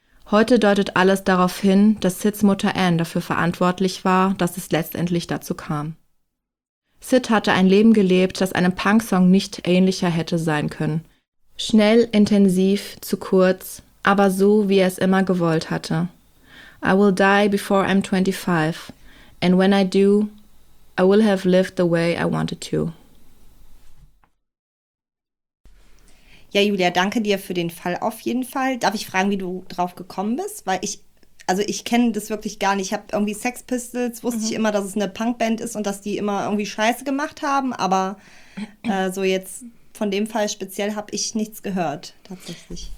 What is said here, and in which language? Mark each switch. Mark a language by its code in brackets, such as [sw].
[de] Heute deutet alles darauf hin, dass Sids Mutter Anne dafür verantwortlich war, dass es letztendlich dazu kam. Sid hatte ein Leben gelebt, das einem Punksong nicht ähnlicher hätte sein können. Schnell, intensiv, zu kurz, aber so, wie er es immer gewollt hatte. [en] I will die before I'm 25, and when I do, I will have lived the way I wanted to. [de] Ja, Julia, danke dir für den Fall auf jeden Fall. Darf ich fragen, wie du drauf gekommen bist? Weil ich kenne das wirklich gar nicht. Ich habe irgendwie Sex Pistols, wusste ich immer, dass es eine Punkband ist und dass die immer irgendwie Scheiße gemacht haben, aber so jetzt von dem Fall speziell habe ich nichts gehört, tatsächlich.